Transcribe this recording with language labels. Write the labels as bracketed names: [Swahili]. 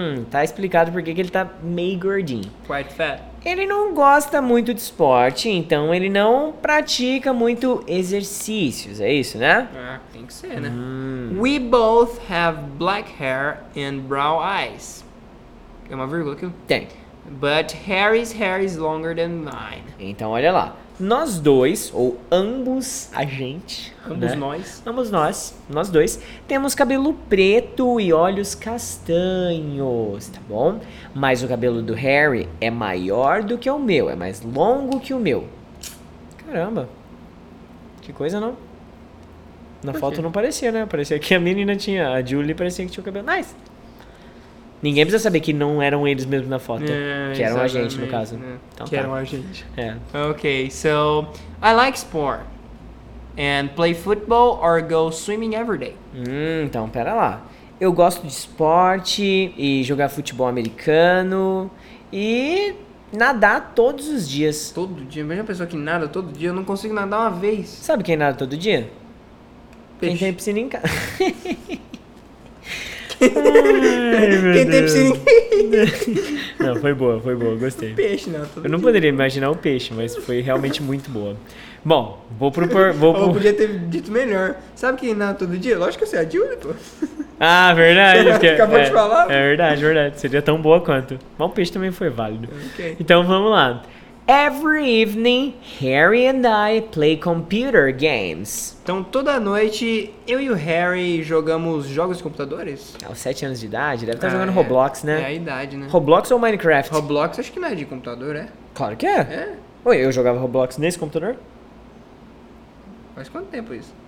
[Portuguese] Tá explicado por que ele tá meio gordinho. [English] Quite fat. [Portuguese] Ele não gosta muito de esporte, então ele não pratica muito exercícios, é isso, né? Ah, tem que ser, né? [English] We both have black hair and brown eyes. [Portuguese] É uma vírgula aqui? Tem. [English] But Harry's hair is longer than mine. [Portuguese] Então, olha lá. Nós dois, ou ambos a gente, ambos, né? Nós. Ambos nós dois, temos cabelo preto e olhos castanhos, tá bom? Mas o cabelo do Harry é maior do que o meu, é mais longo que o meu. Caramba, que coisa, não? Na foto não parecia, né? Parecia que a menina tinha, a Julie parecia que tinha o cabelo. Nice! Ninguém precisa saber que não eram eles mesmo na foto. É, que eram a gente, no caso. É. Então, que eram a gente. É. [English] Ok, so, I like sport. And play football or go swimming every day. [Portuguese] Então, pera lá. Eu gosto de esporte e jogar futebol americano. E nadar todos os dias. Todo dia? Imagina a pessoa que nada todo dia. Eu não consigo nadar uma vez. Sabe quem nada todo dia? Peixe. Quem tem piscina em casa. Ai, quem tem piscina? Não, foi boa, gostei. O peixe, não. Eu não poderia imaginar o peixe, mas foi realmente muito boa. Bom, vou pro... Eu podia ter dito melhor. Sabe quem nada todo dia? Lógico que eu sei, a Julie, pô. Ah, verdade. Porque, acabou de falar. É verdade, verdade. Seria tão boa quanto. Mas o peixe também foi válido. Okay. Então vamos lá. [English] Every evening, Harry and I play computer games. [Portuguese] Então, toda noite, eu e o Harry jogamos jogos de computadores? Aos 7 anos de idade, deve estar jogando Roblox, né? É a idade, né? Roblox ou Minecraft? Roblox acho que não é de computador, é? Claro que é. É? Oi, eu jogava Roblox nesse computador? Faz quanto tempo isso?